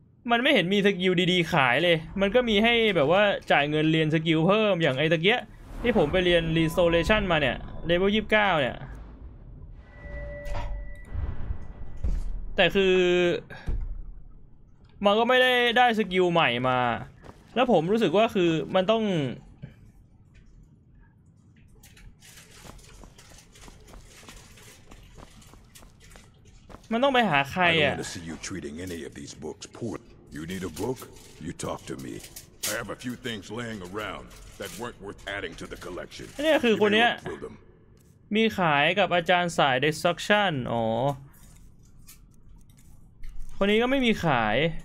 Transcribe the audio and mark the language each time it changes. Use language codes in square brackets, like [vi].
[th] มันไม่เห็นมีสกิลดีๆขายเลยมันก็มีให้แบบว่าจ่ายเงินเรียนสกิลเพิ่มอย่างไอ้ตะเกียะที่ผมไปเรียนรีโซเลชันมาเนี่ยเลเวล29เนี่ยแต่คือมันก็ไม่ได้ได้สกิลใหม่มาแล้วผมรู้สึกว่าคือมันต้องไปหาใครอ่ะ [en] I don't want to see you treating any of these books poorly. You need a book? You talk to me. I have a few things laying around that weren't worth adding to the collection. [th] นี่คือคนเนี้ยมีขายกับอาจารย์สาย Destruction อ๋อคนนี้ก็ไม่มีขาย